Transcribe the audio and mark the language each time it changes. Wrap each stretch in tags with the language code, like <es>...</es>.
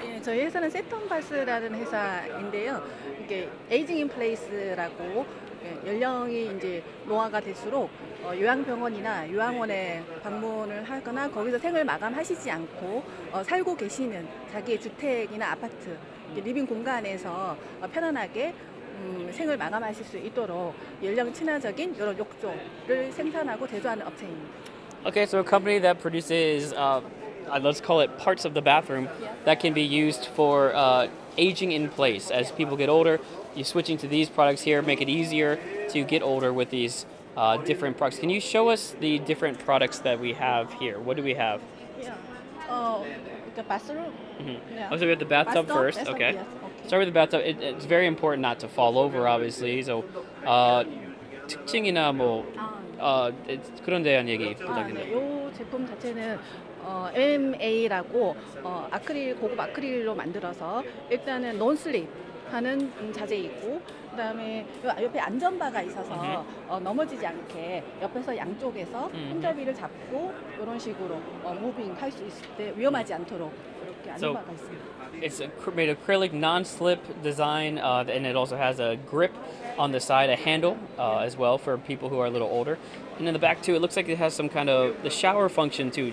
<ko>예, 저희 회사는 세턴바스라는 회사인데요. 이게 에이징 인 플레이스라고 연령이 이제 노화가 될수록 요양병원이나 요양원에 방문을 하거나 거기서 생을 마감하시지 않고 살고 계시는 자기의 주택이나 아파트, 리빙 공간에서 편안하게 생을 마감하실 수 있도록 연령 친화적인 이런 욕조를 생산하고 제조하는 업체입니다.</ko> <en>Okay, so a company that produces, let's call it parts of the bathroom that can be used for aging in place as people get older. You're switching to these products here, make it easier to get older with these different products. Can you show us the different products that we have here? What do we have? Yeah. The bathroom. Mm-hmm. Yeah. Oh, so we have the bathtub first. Bathtub, okay. Yes. Okay. Start with the bathtub. It's very important not to fall over, obviously.</en> <ko>So, 특징이나 뭐 그런 대한 얘기 부탁드립니다. 요 제품 자체는 MA라고 아크릴 고급 아크릴로 만들어서 일단은 논슬립. 하는 자재에 있고 그 다음에 옆에 안전바가 있어서 어, 넘어지지 않게 옆에서 양쪽에서 손잡이를 잡고 이런 식으로 무빙 할 수 있을 때 위험하지 않도록 그렇게 안전바가 있습니다.</ko> <en>It's made of acrylic non-slip design and it also has a grip on the side, a handle as well for people who are a little older. And in the back too, it looks like it has some kind of the shower function too.</en>